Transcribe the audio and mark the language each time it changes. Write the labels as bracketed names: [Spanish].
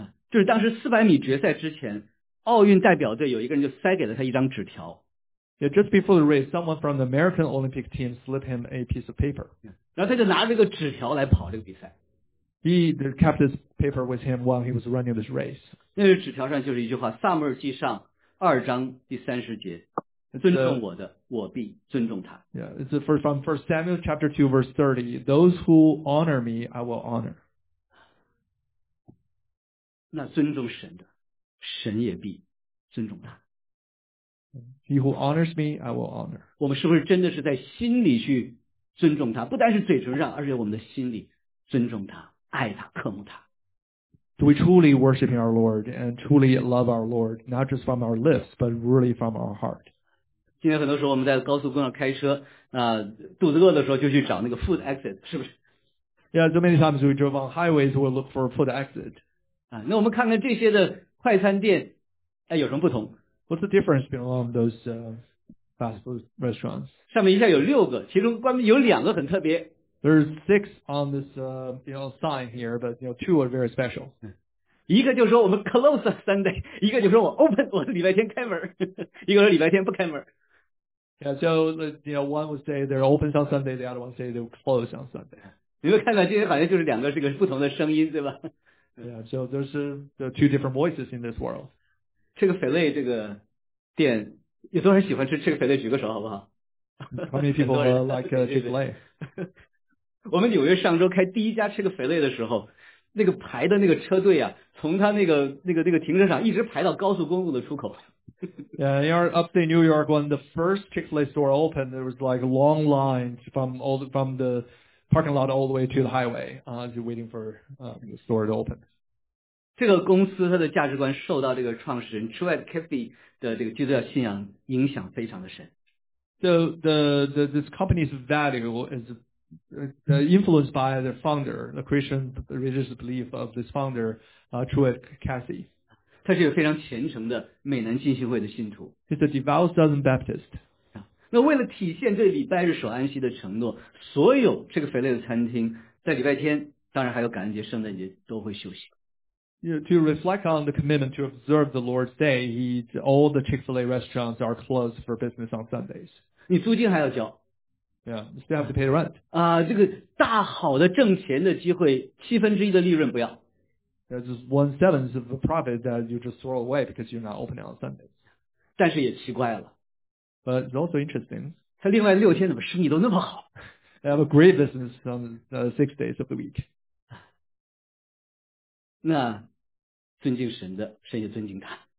[Chinese] 就是当时400米决赛之前，奥运代表队有一个人就塞给了他一张纸条。 [English] Yeah, just before the race, someone from the American Olympic team slipped him a piece of paper. [Chinese] 然后他就拿这个纸条来跑这个比赛。 [English] He kept this paper with him while he was running this race. [Chinese] 那个纸条上就是一句话，萨母耳记上二章第三十节。尊重我的，我必尊重他。 [English] Yeah, it's from 1 Samuel chapter 2 verse 30. Those who honor me, I will honor. [Chinese] 那尊重神的，神也必尊重他。 [English] He who honors me, I will honor. [Chinese] 我们是不是真的是在心里去尊重他？不单是嘴唇上，而且我们的心里尊重他，爱他，渴慕他。 [English] Do we truly worship our Lord and truly love our Lord, not just from our lips, but really from our heart? [Chinese] 今天很多时候我们在高速公路开车，肚子饿的时候就去找那个 [English] food exit， [Chinese] 是不是 [English] ？Yeah, so many times we drove on highways, we look for food exit. [Chinese] 那我们看看这些的快餐店，有什么不同 [English] ？What's the difference between those fast food restaurants？ [Chinese] 上面一下有六个，其中关有两个很特别。 [English] There's six on this sign here, but you know two are very special. [Chinese] 一个就说我们 [English] close Sunday， [Chinese] 一个就说我 [English] open， [Chinese] 我礼拜天开门，一个说礼拜天不开门。 [English] Yeah, so, you know, one would say they're open on Sunday, the other one say they're closed on Sunday. [Chinese] 你们看看，今天好像就是两个这个不同的声音，对吧 [English] ？Yeah, so there's two different voices in this world. [Chinese] 这个菲类这个店，有多少人喜欢吃这个菲类？举个手好不好 [English] ？How many people like Chick-fil-A? [Chinese] 我们纽约上周开第一家吃个菲类的时候，那个排的那个车队啊，从他那个停车场一直排到高速公路的出口。 [English] Yeah, in our upstate New York, when the first Chick-fil-A store opened, there was like long lines from the parking lot all the way to the highway, just waiting for the store to open. [Chinese] 这个公司它的价值观受到这个创始人 Chuck Caffey 的这个基督教信仰影响非常的深。 [English] So the this company's value is influenced by the founder, the Christian religious belief of this founder, Chuck Caffey. [Chinese] 他是一个非常虔诚的美南浸信会的信徒。 [English] He's a devout Southern Baptist. [Chinese] 那为了体现对礼拜日守安息的承诺，所有这个肥类的餐厅在礼拜天，当然还有感恩节、圣诞节都会休息。 [English] to reflect on the commitment to observe the Lord's Day, all the Chick-fil-A restaurants are closed for business on Sundays. [Chinese] 你租金还要交。 [English] Yeah, you still have to pay the rent. [Chinese] 啊，这个大好的挣钱的机会，七分之一的利润不要。 [English] There's just 1/7 of the profit that you just throw away because you're not opening on Sundays. [Chinese] 但是也奇怪了。 [English] But it's also interesting. [Chinese] 他另外六天怎么生意都那么好？ [English] They have a great business on the 6 days of the week. [Chinese] 那尊敬神的，神也尊敬他。